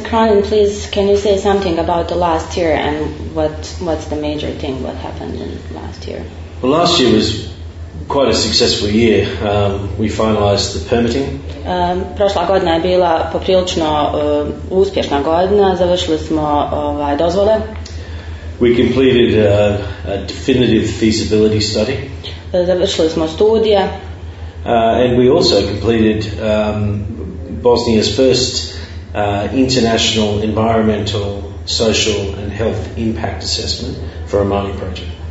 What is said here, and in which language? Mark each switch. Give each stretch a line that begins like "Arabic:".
English: Kronin, please, can you say something about the last year and what's the major thing what happened in last year? Well, last year was quite a successful year. We finalized the permitting.
Bosnian: Prošla godina je bila poprilično uspješna godina. Završili smo dozvole.
English: We completed a definitive feasibility study.
Bosnian: Završili smo studije.
English: And we also completed Bosnia's first international environmental, social and health impact assessment for a mining project.